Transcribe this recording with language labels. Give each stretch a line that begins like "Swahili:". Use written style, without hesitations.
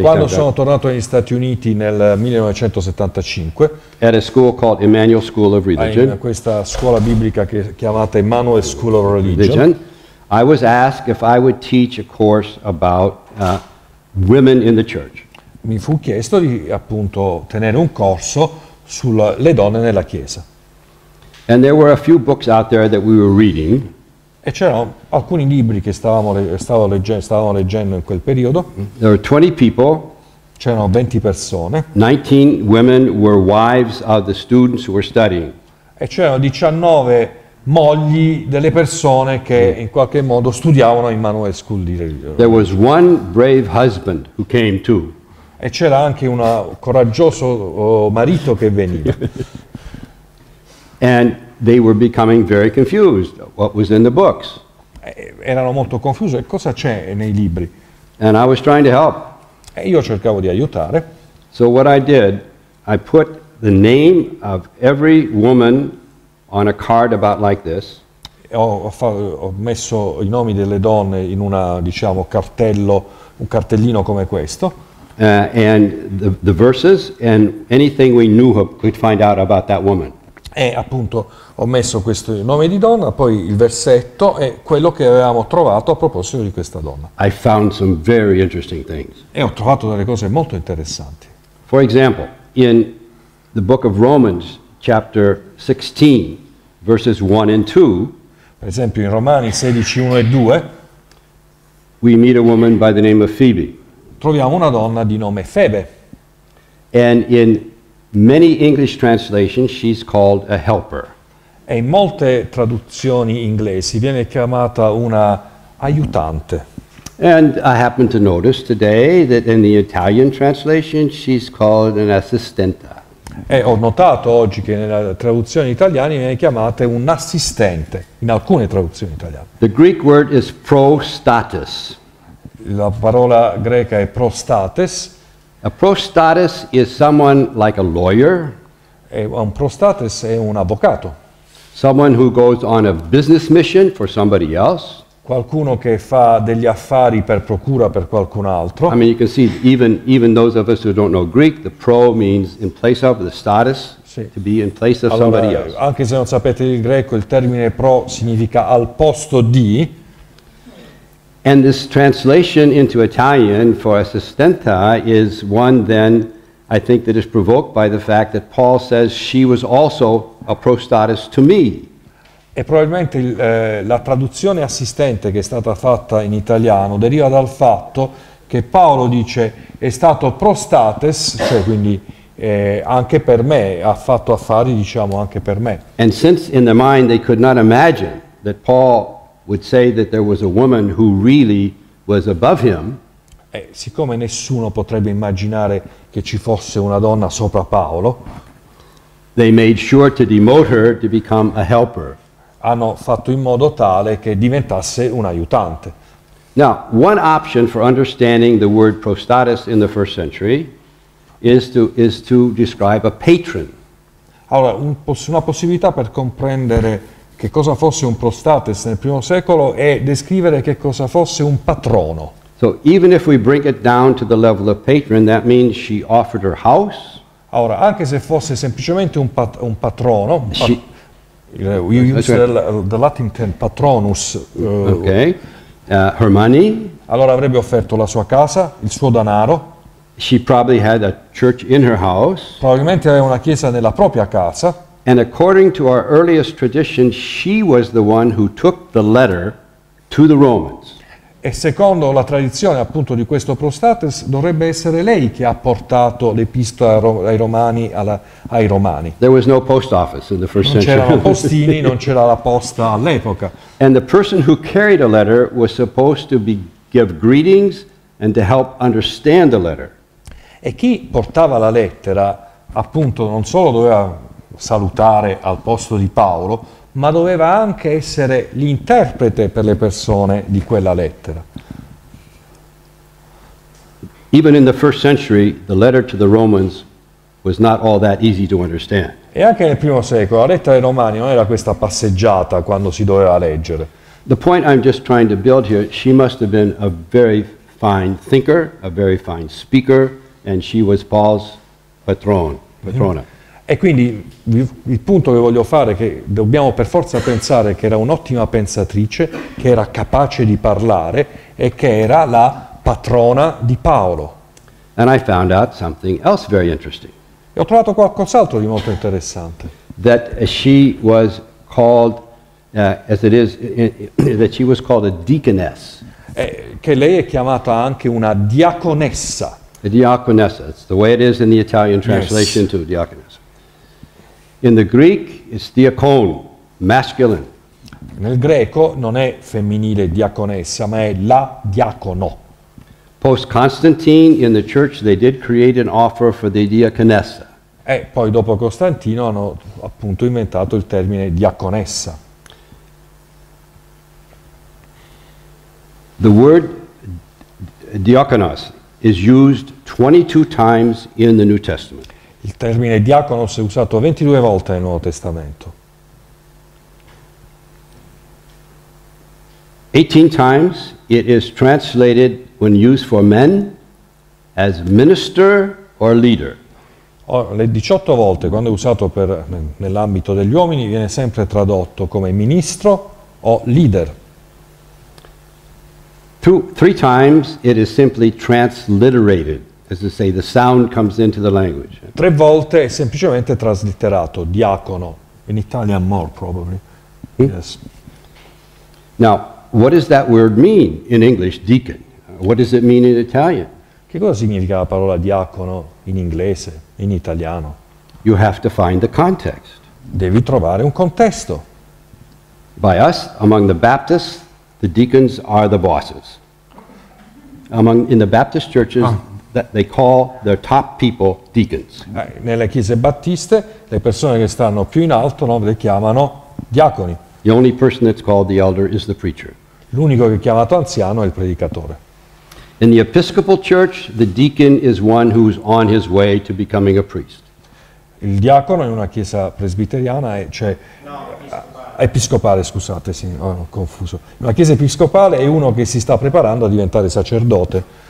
Italian: Quando sono tornato negli Stati Uniti nel 1975.
English: At a school called Emmanuel School of Religion.
Italian: In questa scuola biblica che chiamata Emmanuel School of Religion.
English: I was asked if I would teach a course about women in the church.
Italian: mi fu chiesto di appunto tenere un corso sulle donne nella Chiesa.
English: And there were a few books out there that we were reading.
Italian: E c'erano alcuni libri che stavamo leggendo in quel periodo.
English: There were 20 people.
Italian: C'erano 20 persone.
English: 19 women were wives of the students who were studying.
Italian: E c'erano 19 mogli delle persone che in qualche modo studiavano in Manuel School di religione.
English: There was one brave husband who came too.
Italian: E c'era anche un coraggioso marito che veniva.
English: And they were becoming very confused what was in the books.
Italian: Erano molto confusi, cosa c'è nei libri?
English: And I was trying to help.
Italian: E io cercavo di aiutare.
English: So what I did, I put the name of every woman on a card about like this.
Italian: Ho messo i nomi delle donne in una, diciamo, un cartellino come questo.
English: And the verses and anything we knew could find out about that woman.
Italian: E appunto ho messo questo nome di donna, poi il versetto e quello che avevamo trovato a proposito di questa donna.
English: I found some very interesting things.
Italian: E ho trovato delle cose molto interessanti.
English: For example, in the book of Romans, chapter 16, verses 1 and 2,
Italian: per esempio in Romani 16, 1 e 2,
English: we meet a woman by the name of Phoebe.
Italian: Troviamo una donna di nome Febe.
English: And in many English translations, she's called a helper.
Italian: E in molte traduzioni inglesi viene chiamata una aiutante.
English: And I happen to notice today that in the Italian translation, she's called an assistenta.
Italian: E ho notato oggi che nella traduzione italiana viene chiamata un assistente, in alcune traduzioni italiane.
English: The Greek word is prostatis.
Italian: La parola greca è prostatis.
English: A prostatus is someone like a lawyer.
Italian: Un prostatus è un avvocato.
English: Someone who goes on a business mission for somebody else.
Italian: Qualcuno che fa degli affari per procura per qualcun altro.
English: I mean, you can see even those of us who don't know Greek, the pro means in place of, the status,
Italian: sì.
English: To be in place of,
Italian: allora,
English: somebody else.
Italian: Anche se non sapete il greco, il termine pro significa al posto di.
English: And this translation into Italian for assistenta is one then, I think, that is provoked by the fact that Paul says she was also a prostatus to me.
Italian: E probabilmente la traduzione assistente che è stata fatta in italiano deriva dal fatto che Paolo dice è stato prostatus, cioè quindi anche per me, ha fatto affari, diciamo, anche per me.
English: And since in their mind they could not imagine that Paul would say that there was a woman who really was above him.
Italian: Siccome nessuno potrebbe immaginare che ci fosse una donna sopra Paolo,
English: they made sure to demote her to become a helper.
Italian: Hanno fatto in modo tale che diventasse un aiutante.
English: Now, one option for understanding the word prostatus in the first century is to describe a patron.
Italian: Allora, una possibilità per comprendere che cosa fosse un prostates nel primo secolo è descrivere che cosa fosse un patrono.
English: So even if we bring it down to the level of patron, that means she offered her house.
Italian: Allora, anche se fosse semplicemente un patrono,
English: the Latin term patronus. Her money.
Italian: Allora avrebbe offerto la sua casa, il suo denaro.
English: She probably had a church in her house.
Italian: Probabilmente aveva una chiesa nella propria casa.
English: And according to our earliest tradition, she was the one who took the letter to the Romans.
Italian: E secondo la tradizione, appunto, di questo prostates, dovrebbe essere lei che ha portato l'epistola ai Romani.
English: There was no post office in the first century.
Italian: Non c'erano postini, non c'era la posta all'epoca.
English: And the person who carried a letter was supposed to give greetings and to help understand the letter.
Italian: E chi portava la lettera, appunto, non solo doveva salutare al posto di Paolo, ma doveva anche essere l'interprete per le persone di quella lettera.
English: Even in the first century, the letter to the Romans was not all that easy to understand.
Italian: E anche nel primo secolo la lettera ai Romani non era questa passeggiata quando si doveva leggere.
English: The point I'm just trying to build here, she must have been a very fine thinker, a very fine speaker, and she was Paul's patrona.
Italian: E quindi il punto che voglio fare è che dobbiamo per forza pensare che era un'ottima pensatrice, che era capace di parlare e che era la patrona di Paolo.
English: And I found out something else very interesting.
Italian: E ho trovato qualcos'altro di molto interessante.
English: That she was called, as it is, that she was called a deaconess.
Italian: Che lei è chiamata anche una diaconessa.
English: A diaconessa, that's the way it is in the Italian translation, yes. Too, diaconess. In the Greek, it's diakon, masculine.
Italian: Nel greco non è femminile diaconessa, ma è la diacono.
English: Post Constantine, in the church, they did create an offer for the diaconessa.
Italian: E poi dopo Costantino hanno appunto inventato il termine diaconessa.
English: The word diakonos is used 22 times in the New Testament.
Italian: Il termine diaconos è usato 22 volte nel Nuovo Testamento.
English: 18 times it is translated when used for men as minister or leader.
Italian: Le 18 volte, quando è usato per, nell'ambito degli uomini, viene sempre tradotto come ministro o leader.
English: Three times it is simply transliterated, as to say the sound comes into the language.
Italian: Tre volte è semplicemente traslitterato, diacono,
English: in Italian more probably. Hmm? Yes. Now, what does that word mean in English, deacon? What does it mean in Italian?
Italian: Che cosa significa la parola diacono in inglese, in italiano?
English: You have to find the context.
Italian: Devi trovare un contesto.
English: By us, among the Baptists, the deacons are the bosses. Among in the Baptist churches, that they call their top people deacons.
Italian: Nelle chiese battiste, le persone che stanno più in alto, no, le chiamano diaconi.
English: The only person that's called the elder is the preacher.
Italian: L'unico che è chiamato anziano è il predicatore.
English: In the Episcopal Church, the deacon is one who's on his way to becoming a priest.
Italian: Il diacono in una chiesa presbiteriana è, cioè, episcopale, scusate, sì, ho confuso. Una chiesa episcopale è uno che si sta preparando a diventare sacerdote.